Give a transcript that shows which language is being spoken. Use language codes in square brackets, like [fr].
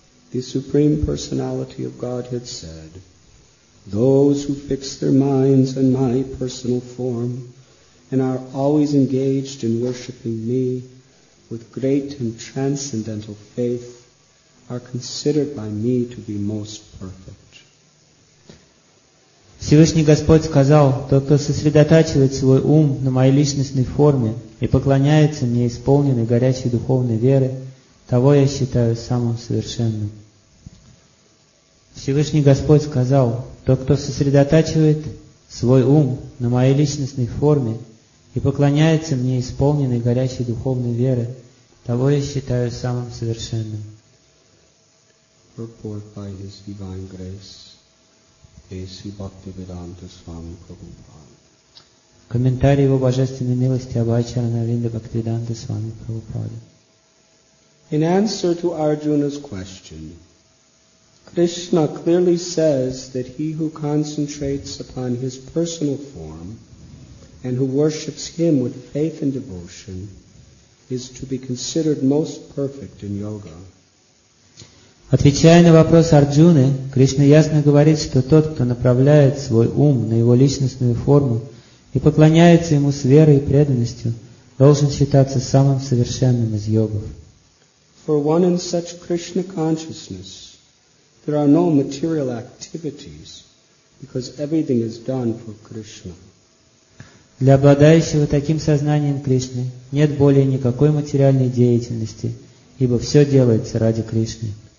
[en] The Supreme Personality of Godhead said, those who fix their minds on my personal form and are always engaged in worshipping me with great and transcendental faith are considered by me to be most perfect. [ru] Всевышний Господь сказал, тот, кто сосредотачивает свой ум на моей личностной форме и поклоняется мне исполненной горячей духовной веры, того я считаю самым совершенным. Всевышний Господь сказал, тот, кто сосредотачивает свой ум на моей личностной форме и поклоняется мне исполненной горячей духовной веры, того я считаю самым совершенным. [en] Report by His Divine Grace, A.C. Bhaktivedanta Swami Prabhupada. [ru] Комментарий Его Божественной Милости Абхайчаранавинда Бхактиведанта Свами Прабхупада. [en] In answer to Arjuna's question, Krishna clearly says that he who concentrates upon his personal form and who worships him with faith and devotion is to be considered most perfect in yoga. [ru] Отвечая на вопрос Арджуны, Кришна ясно говорит, что тот, кто направляет свой ум на его личностную форму и поклоняется ему с верой и преданностью, должен считаться самым совершенным из йогов. [en] For one in such Krishna consciousness, there are no material activities, because everything is done for Krishna. [ru] Для обладающего таким сознанием Кришны нет более никакой материальной деятельности, ибо все делается ради Кришны.